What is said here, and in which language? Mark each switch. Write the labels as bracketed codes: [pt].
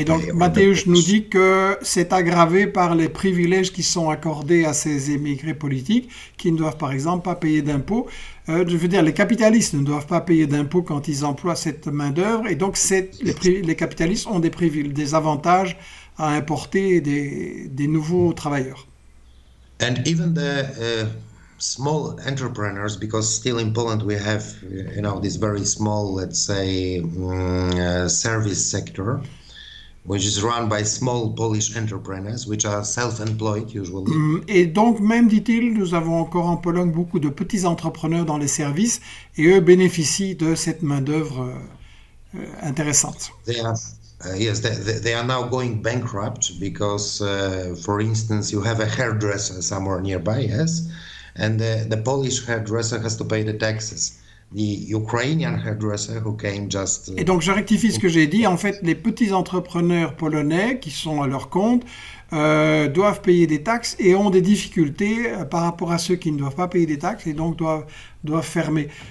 [fr] Et donc Mateusz nous dit que c'est aggravé par les privilèges qui sont accordés à ces émigrés politiques qui ne doivent par exemple pas payer d'impôts. Je veux dire, les capitalistes ne doivent pas payer d'impôts quand ils emploient cette main-d'œuvre, et donc les capitalistes ont des avantages à importer des nouveaux travailleurs. [en] And even the small entrepreneurs, because still in Poland we have, you know, this very small, let's say, service sector, which is run by small Polish entrepreneurs, which are self-employed usually. [fr] Et donc même, dit-il, nous avons encore en Pologne beaucoup de petits entrepreneurs dans les services, et eux bénéficient de cette main-d'œuvre intéressante. [en] They are now going bankrupt because, for instance, you have a hairdresser somewhere nearby, yes? And the Polish hairdresser has to pay the taxes. The Ukrainian hairdresser who came just... [fr] Et donc, je rectifie ce que j'ai dit. En fait, les petits entrepreneurs polonais qui sont à leur compte doivent payer des taxes et ont des difficultés par rapport à ceux qui ne doivent pas payer des taxes et donc doivent fermer.